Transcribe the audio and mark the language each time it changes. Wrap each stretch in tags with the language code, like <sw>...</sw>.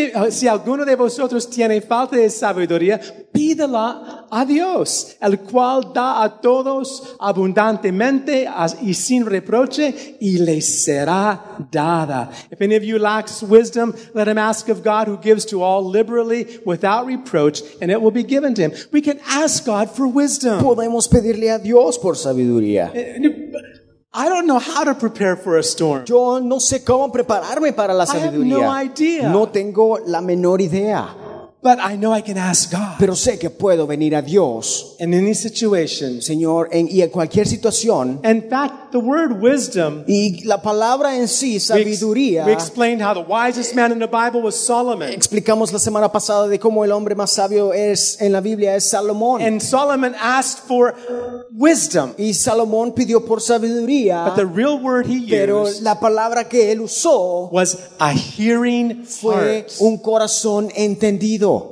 <es>si alguno de vosotros tiene falta de sabiduría, pídela a Dios, el cual da a todos abundantemente y sin reproche, y le será dada.</es> <en>If any of you lacks wisdom, let him ask of God, who gives to all liberally without reproach, and it will be given to him. We can ask God for wisdom.</en> <es>Podemos pedirle a Dios por sabiduría.</es> <en>I don't know how to prepare for a storm.</en> <es>Yo no sé cómo prepararme para la sabiduría.</es> <en>I have no idea.</en> <es>No tengo la menor idea.</es> <en>But I know I can ask God.</en> <es>Pero sé que puedo venir a Dios.</es> <en>In any situation,</en> <es>Señor, y en cualquier situación.</es> <en>In fact, the word wisdom.</en> <es>Y la palabra en sí, sabiduría.</es> <en>We explained how the wisest man in the Bible was Solomon.</en> <es>Explicamos la semana pasada de cómo el hombre más sabio es en la Biblia es Salomón.</es> <en>And Solomon asked for wisdom.</en> <es>Y Salomón pidió por sabiduría.</es> <en>But the real word he used.</en> <es>Pero la palabra que él usó</es> <en>was a hearing heart.</en> <es>Fue un corazón entendido.</es>